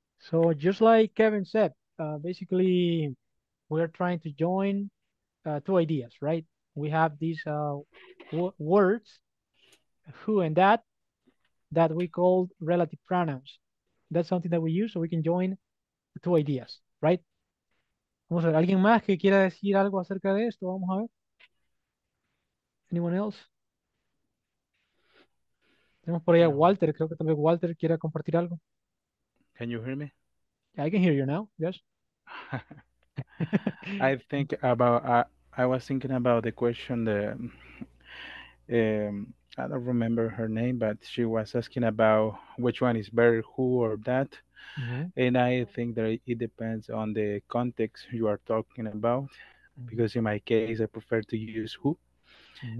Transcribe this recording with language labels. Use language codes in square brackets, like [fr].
[en] So just like Kevin said, basically we're trying to join two ideas, right? We have these words, who and that we call relative pronouns. That's something that we use so we can join two ideas, right? [es] Vamos a ver, ¿alguien más que quiera decir algo acerca de esto? Vamos a ver. [en] Anyone else? [es] Tenemos por ahí a Walter, creo que tal vez Walter quiera compartir algo. [en] Can you hear me? Yeah, I can hear you now, yes. I think about, I was thinking about the question, I don't remember her name, but she was asking about which one is better, who or that. Mm-hmm. And I think that it depends on the context you are talking about, mm-hmm. because in my case, I prefer to use who. Mm-hmm.